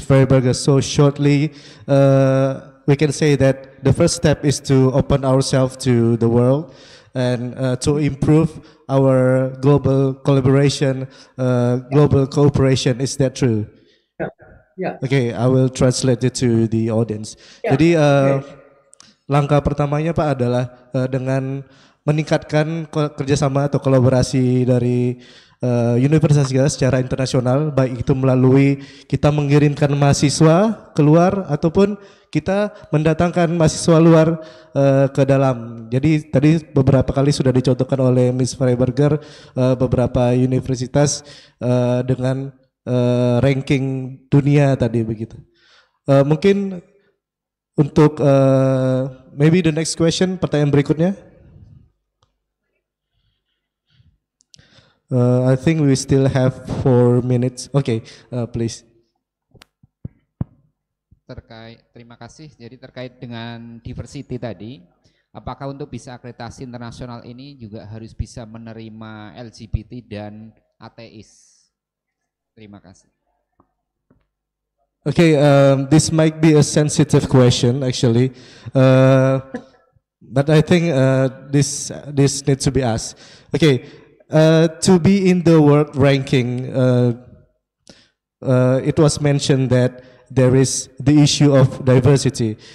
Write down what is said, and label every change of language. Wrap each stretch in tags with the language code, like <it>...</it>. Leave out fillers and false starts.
<en>Freiberger, so shortly, we can say that the first step is to open ourselves to the world and to improve our global collaboration, global cooperation. Is that true? Yeah. Yeah. Okay, I will translate it to the audience. Yeah.</en> <id>Jadi langkah pertamanya Pak adalah dengan meningkatkan kerjasama atau kolaborasi dari universitas kita secara internasional, baik itu melalui kita mengirimkan mahasiswa keluar ataupun kita mendatangkan mahasiswa luar ke dalam. Jadi tadi beberapa kali sudah dicontohkan oleh Ms. Freiberger beberapa universitas dengan ranking dunia tadi begitu. Mungkin untuk</id> <en>maybe the next question,</en> <id>pertanyaan berikutnya.</id> <en>I think we still have 4 minutes. Okay, please.</en> <id>Terkait, terima kasih. Jadi terkait dengan diversity tadi, apakah untuk bisa akreditasi internasional ini juga harus bisa menerima LGBT dan ateis? Terima kasih.</id> <en>Okay, this might be a sensitive question actually, but I think this needs to be asked. Okay. To be in the world ranking, it was mentioned that there is the issue of diversity.</en>